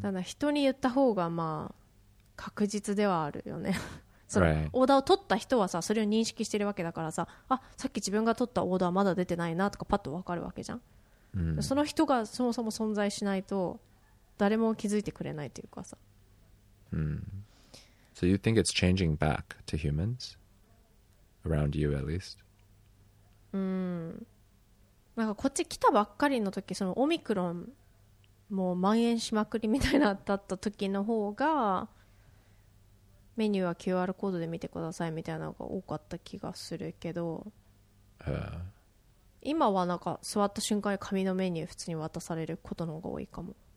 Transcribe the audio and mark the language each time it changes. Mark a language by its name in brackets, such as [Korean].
[Japanese] だから人に言った方がまあ確実ではあるよねそのオーダーを取った人はさ、それを認識してるわけだからさ、あ、さっき自分が取ったオーダーまだ出てないなとかパッと分かるわけじゃん、うん、その人がそもそも存在しないと誰も気づいてくれないというかさ、 [English] うん、So you think it's changing back to humans? Around you at least? [Japanese] なんかこっち来たばっかりの時、そのオミクロンもう蔓延しまくりみたいなだった時の方が、メニューは QR コードで見てくださいみたいなのが多かった気がするけど、今はなんか座った瞬間に紙のメニュー普通に渡されることの方が多いかも。